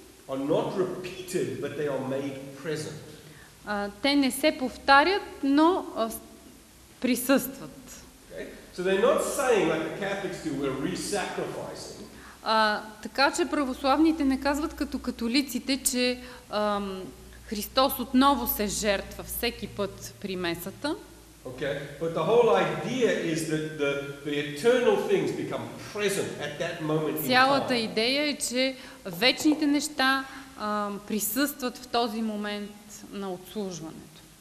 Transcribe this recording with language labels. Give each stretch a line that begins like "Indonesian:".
English: are not repeated, but they are made present.
Bulgarian: Те не се повтарят, но присъстват.
English: Okay. So they're not saying like the Catholics do, we're re-sacrificing.
Bulgarian: Така че православните не казват като католиците, че Христос отново се жертва всеки път при месата.
English: Okay. But the whole idea is that the eternal things become present at that moment.
Bulgarian: Цялата идея е, че вечните неща присъстват в този момент на отслужването.